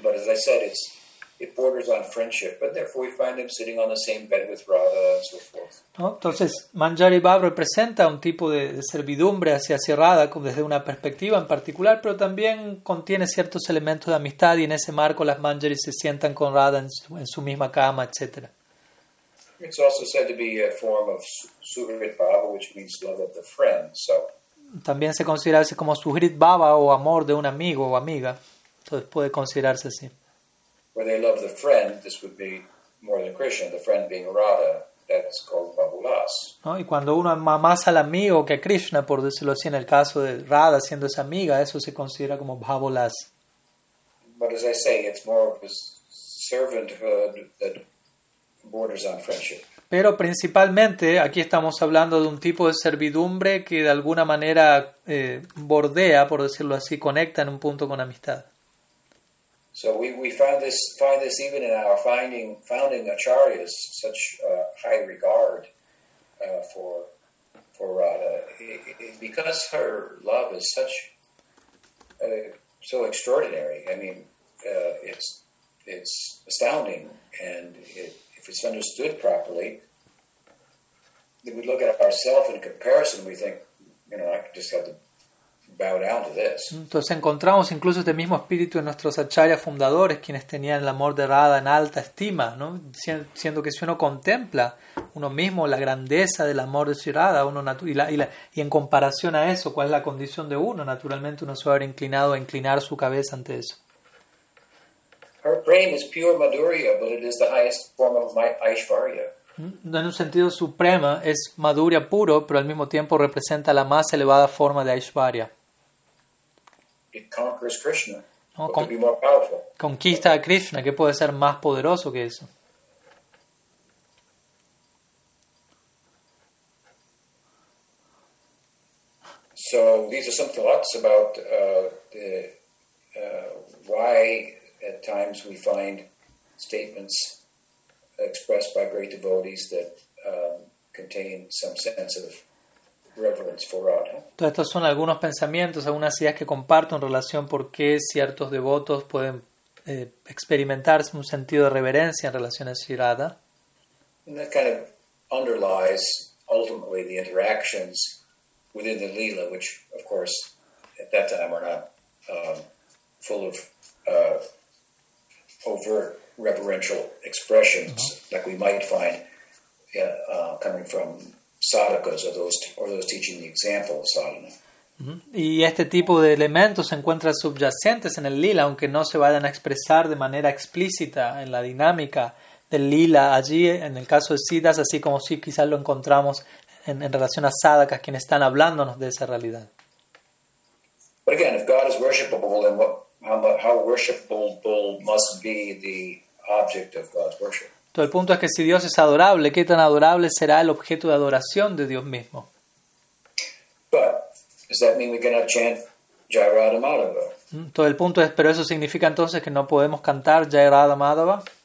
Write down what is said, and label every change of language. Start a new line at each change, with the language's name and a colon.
English: But as I said, it borders on friendship. But therefore, we find them sitting on the same bed with Radha and so forth.
Spanish: No, entonces, Manjari Bhav representa un tipo de servidumbre hacia Radha desde una perspectiva en particular, pero también contiene ciertos elementos de amistad y en ese marco las Manjari se sientan con Radha en su misma cama, etc.
English: It's also said to be a form of Suhrit Bhava, which means love of the friend. So,
Spanish: también se considera así como Suhrit Bhava o amor de un amigo o amiga. Entonces puede considerarse así.
English: Where they love the friend, this would be more than Krishna. The friend being Radha, that's called Bhavulas.
Spanish: ¿No? Y cuando uno ama más al amigo que a Krishna, por decirlo así, en el caso de Radha siendo esa amiga, eso se considera como Bhavulas.
English: But as I say, it's more of a servanthood that borders on friendship.
Spanish: Pero principalmente aquí estamos hablando de un tipo de servidumbre que de alguna manera bordea, por decirlo así, conecta en un punto con amistad.
English: So we find this even in our founding acharyas, such high regard for Radha, because her love is such so extraordinary. I mean, it's astounding, and if it's understood properly, then we look at ourselves in comparison, we think, you know, I just have to bow down to this.
Spanish: Entonces encontramos incluso este mismo espíritu en nuestros acharyas fundadores, quienes tenían el amor de Radha en alta estima, ¿no? Siendo que si uno contempla uno mismo la grandeza del amor de Radha, y en comparación a eso, ¿cuál es la condición de uno? Naturalmente uno se va a ver inclinado a inclinar su cabeza ante eso.
English: Her prema is pure madhurya, but it is the highest form of Aishvarya.
Spanish: En un sentido, su prema es madhurya puro, pero al mismo tiempo representa la más elevada forma de Aishvarya.
English: It conquers Krishna. ¿no? What could be more powerful?
Spanish: Conquista a Krishna. ¿Qué puede ser más poderoso que eso?
English: So these are some thoughts about the why at times we find statements expressed by great devotees that contain some sense of reverence for Radha.
Spanish: Entonces, estos son algunos pensamientos, algunas ideas que comparto en relación por qué ciertos devotos pueden experimentar un sentido de reverencia en relación a Sri Radha.
English: And that kind of underlies ultimately the interactions within the lila, which of course at that time were not full of overt reverential expressions like we might find coming from sadhakas or those teaching the example of sadhana.
Spanish: Y este tipo de elementos se encuentran subyacentes en el lila, aunque no se vayan a expresar de manera explícita en la dinámica del lila allí, en el caso de siddhas, así como sí quizás lo encontramos en relación a sadhakas, quienes están hablándonos de esa realidad.
English: But again, if God is worshipable, then how worshipable must be the object of God's worship?
Spanish: Todo el punto es que si Dios es adorable, ¿qué tan adorable será el objeto de adoración de Dios mismo?
English: But does that mean we cannot chant Jai Radha Madhava?
Spanish: Todo el punto es, ¿pero eso significa entonces que no podemos cantar Jai Radha Madhava?